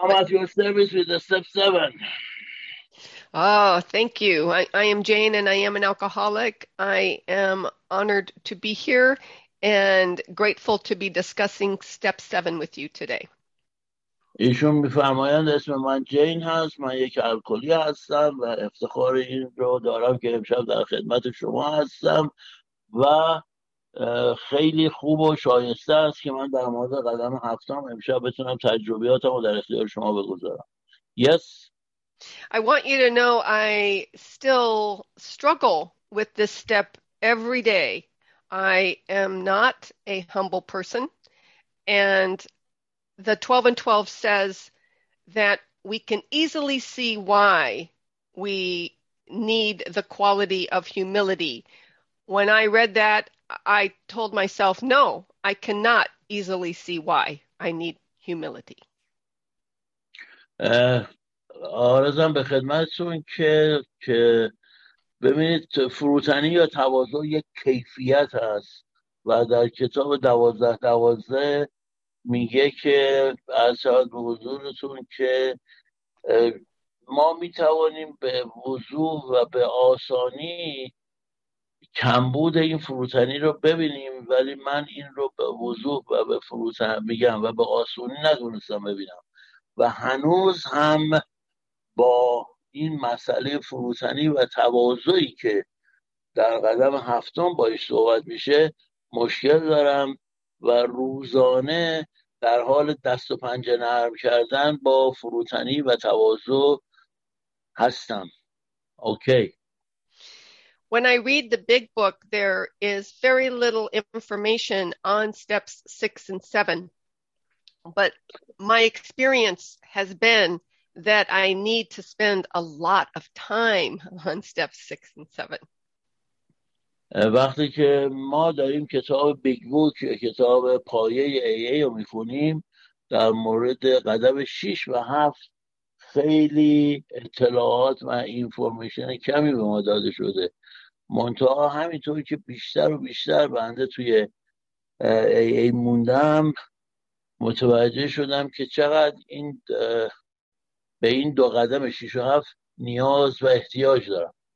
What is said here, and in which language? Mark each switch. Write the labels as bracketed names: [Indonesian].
[English] I'm at your service with a step seven. Oh, thank you. I am Jane and I am an alcoholic. I am honored to be here and grateful to be discussing step seven with you today. [Persian] ایشون میفرمایند اسم من جین هست، من یک الکلی هستم و افتخار این رو دارم که امشب در خدمت شما هستم و خیلی خوب و شایسته است که من در مورد قدم هفتم امشب بتونم تجربیاتم رو در اختیار شما بگذارم. [English] Yes. I want you to know I still struggle with this step every day. I am not a humble person. And the 12 and 12 says that we can easily see why we need the quality of humility. When I read that, I told myself, no, I cannot easily see why I need humility. [Persian] آرزم به خدمتتون که ببینید، فروتنی یا تواضع یک کیفیت است و در کتاب 12:12 میگه که از شاد به حضورتون که ما میتوانیم به وضوح و به آسانی کمبود این فروتنی رو ببینیم، ولی من این رو به وضوح و به فروتن میگم و به آسونی ندونستم ببینم و هنوز هم با این مسئله فروتنی و تواضعی که در قدم هفتم باهاش صحبت میشه مشکل دارم و روزانه در حال دست و پنجه نرم کردن با فروتنی و تواضع هستم. اوکی. [English] When I read the big book, there is very little information on steps 6 and 7. But my experience has been that I need to spend a lot of time on steps 6 and 7. [Persian] وقتی که ما داریم کتاب بیگ بوک یا کتاب پایه AA رو میخونیم، در مورد قدم 6 و 7 خیلی اطلاعات و اینفورمیشن کمی به ما داده شده. منتها همینطوری که بیشتر و بیشتر بنده توی AA موندم، متوجه شدم که چقدر این به این دو قدم 6 و 7 نیاز و احتیاج دارم.